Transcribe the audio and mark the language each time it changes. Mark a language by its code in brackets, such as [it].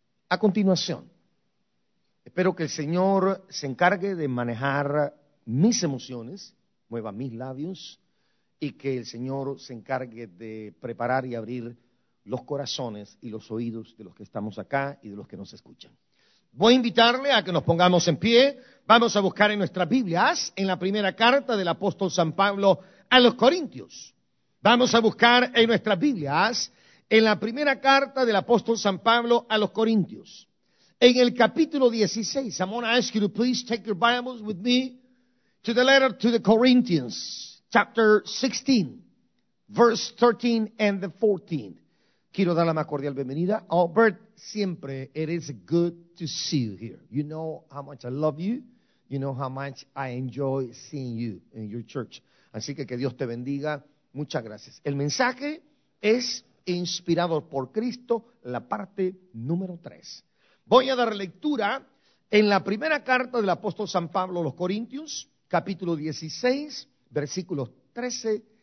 [es] A continuación, espero que el Señor se encargue de manejar mis emociones, mueva mis labios, y que el Señor se encargue de preparar y abrir los corazones y los oídos de los que estamos acá y de los que nos escuchan. Voy a invitarle a que nos pongamos en pie. Vamos a buscar en nuestras Biblias, en la primera carta del apóstol San Pablo a los Corintios. Vamos a buscar en nuestras Biblias, en la primera carta del apóstol San Pablo a los Corintios. En el capítulo 16, [en] I'm going to ask you to please take your Bibles with me to the letter to the Corinthians, chapter 16, verse 13 and the 14th. [es] Quiero dar la más cordial bienvenida. Albert, siempre, [en] it is good to see you here. You know how much I love you. You know how much I enjoy seeing you in your church. [es] Así que Dios te bendiga. Muchas gracias. El mensaje es inspirado por Cristo, la parte número 3. Voy a dar lectura en la primera carta del apóstol San Pablo a los Corintios, capítulo 16, versículos 13.